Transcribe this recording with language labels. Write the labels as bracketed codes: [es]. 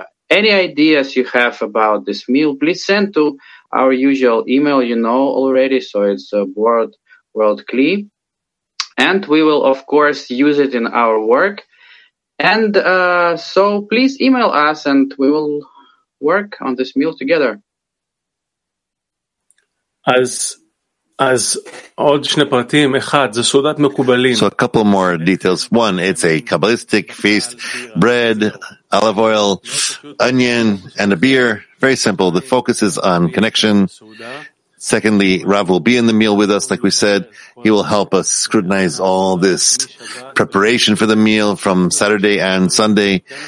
[en] Any ideas you have about this meal, please send to our usual email, you know already, so it's worldcli. And we will, of course, use it in our work. And so please email us and we will work on this meal together. As [he] עוד שני פרטים, אחד, זה סעודת מקובלים. [en] So a couple more details. One, it's a Kabbalistic feast, bread, olive oil, onion, and a beer. Very simple. The focus is on connection. Secondly, Rav will be in the meal with us, like we said. He will help us scrutinize all this preparation for the meal from Saturday and Sunday.